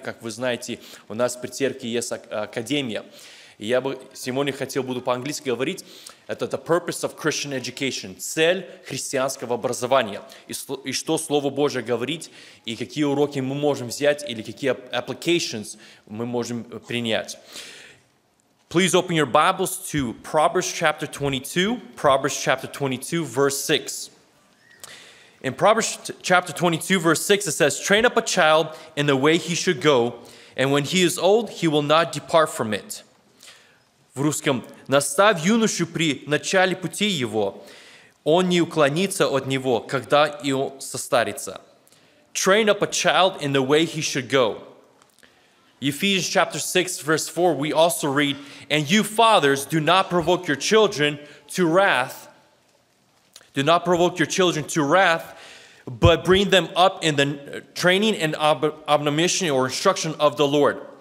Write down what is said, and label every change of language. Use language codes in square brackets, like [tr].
[ru] Как вы знаете, у нас при церкви есть академия. Я бы сегодня хотел буду по-английски говорить. Это [en] the purpose of Christian education, [ru] цель христианского образования. И что Слово Божие говорит, и какие уроки мы можем взять, или какие applications мы можем принять. [en] Please open your Bibles to Proverbs chapter 22, Proverbs chapter 22, verse 6. In Proverbs chapter 22, verse 6, it says, "Train up a child in the way he should go, and when he is old, he will not depart from it." [ru] В русском: «Наставь юношу при начале пути его, он не уклонится от него, когда и он состарится». [en] Train up a child in the way he should go. Ephesians chapter 6, verse 4, we also read, "And you fathers, do not provoke your children to wrath, do not provoke your children to wrath, but bring them up in the training and admonition or instruction of the Lord."